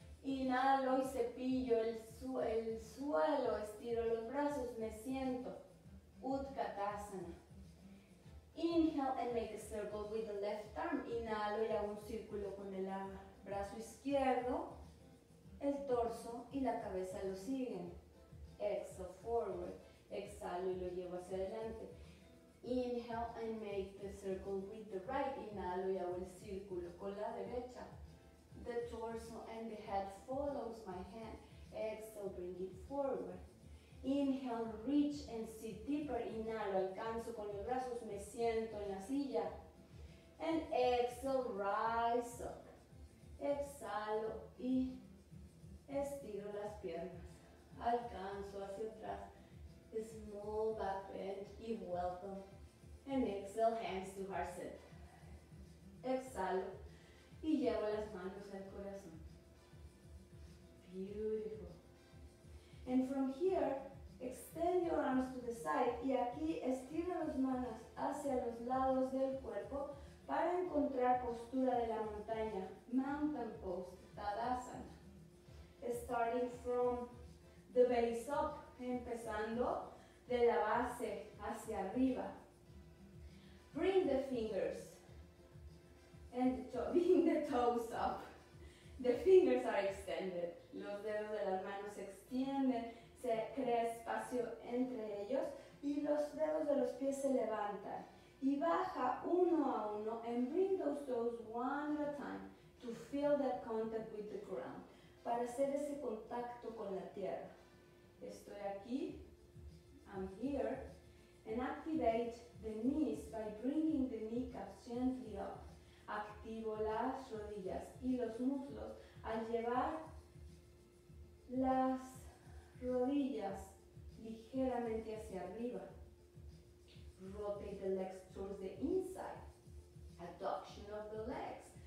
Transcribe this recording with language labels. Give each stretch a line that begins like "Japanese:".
Spanish: Inhalo y cepillo el suelo, estiro los brazos, me siento.
English: Utkatasana. Inhale and make a circle with the left arm.
Spanish: Inhalo y hago un círculo con el brazo izquierdo, el torso y la cabeza lo siguen.
English: Exhale, forward.
Spanish: Exhalo y lo llevo hacia adelante.
English: Inhale and make the circle with the right.
Spanish: Inhalo y hago el círculo con la derecha.
English: The torso and the head follows my hand. Exhale, bring it forward. Inhale, reach and sit deeper.
Spanish: Inhalo, alcanzo con los brazos, me siento en la silla.
English: And exhale, rise up.
Spanish: Exhalo y estiro las piernas. Alcanzo hacia atrás.
English: A small back bend, give welcome. And exhale, hands to heart set. Exhalo.
Spanish: Y llevo las manos al corazón. Beautiful.
English: And from here, extend your arms to the side.
Spanish: Y aquí, estira las manos hacia los lados del cuerpo para encontrar postura de la montaña.
English: Mountain pose, Tadasana. Starting from the base up,
Spanish: empezando de la base hacia arriba.
English: Bring the fingers and the toes up. The fingers are extended.
Spanish: Los dedos de las manos se extienden. se crea espacio entre ellos y los dedos de los pies se levantan. Y baja uno a uno
English: and bring those toes one at a time to feel that contact with the ground.
Spanish: Para hacer ese contacto con la tierra. Estoy aquí.
English: I'm here. And activate the knees by bringing the kneecaps gently up.
Spanish: Activo las rodillas y los muslos al llevar las rodillas ligeramente hacia arriba.
English: Rotate the legs towards the inside. Adduction of the legs.